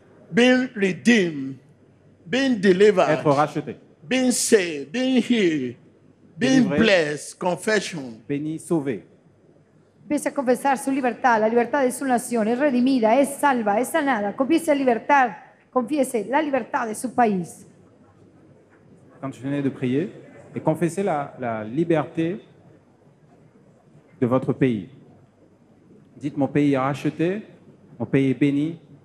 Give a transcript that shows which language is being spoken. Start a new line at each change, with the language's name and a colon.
English: Being redeemed, being delivered.
French: Être racheté.
English: Being saved, being healed, being blessed. Confession.
French: Béni, sauvé.
Spanish: Empieza a confesar su libertad, la libertad de su nación, es redimida, es salva, es sanada. Confiese libertad, confiese la libertad de su país.
French: Continuez de prier et confessez la liberté de votre pays. Dites mon pays est racheté, mon pays est béni.